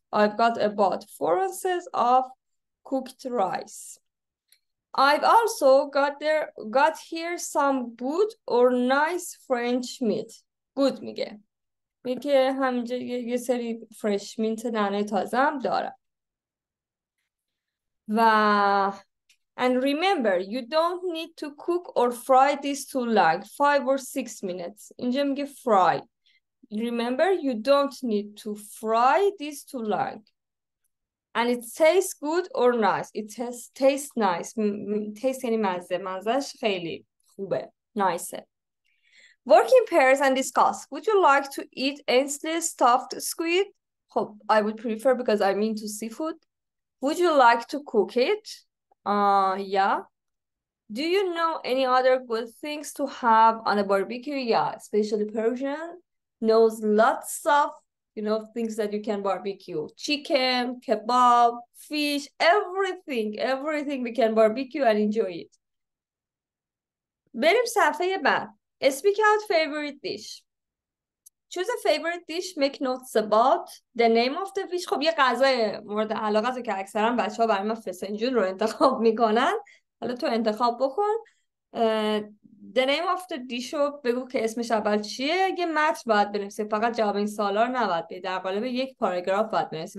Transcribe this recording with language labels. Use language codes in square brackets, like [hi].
[en] I've got about 4 ounces of cooked rice. I've also got here some good or nice French meat. [fa] Good میگه میگه همینجا یه سری فرش مینت نعنای تازه هم داره. [en] و and remember you don't need to cook or fry this too long, 5 or 6 minutes. [fa] اینجا میگه fry. [en] Remember you don't need to fry this too long and it tastes good or nice. It tastes nice. Taste [fa] یعنی مزه. مزهش خیلی خوبه. [en] Nice. Work in pairs and discuss. Would you like to eat Ainsley's stuffed squid? خب, I would prefer because I'm into seafood. Would you like to cook it? Yeah. Do you know any other good things to have on a barbecue? Yeah, especially Persian knows lots of, you know, things that you can barbecue. Chicken, kebab, fish, everything we can barbecue and enjoy it. [fa] بریم صفحه بعد. [en] Speak out favorite dish. Choose a favorite dish. Make notes about the name of the dish. [fa] خب یه غذای مورد علاقه تو که اکثرا بچه ها برای ما فسنجون رو انتخاب میکنن. حالا تو انتخاب بکن. [en] The name of the dish [fa] رو بگو که اسمش اول چیه. یه متن باید بنویسی. فقط جواب این سوالا رو نباید بدی. در قالب یک پاراگراف باید بنویسی.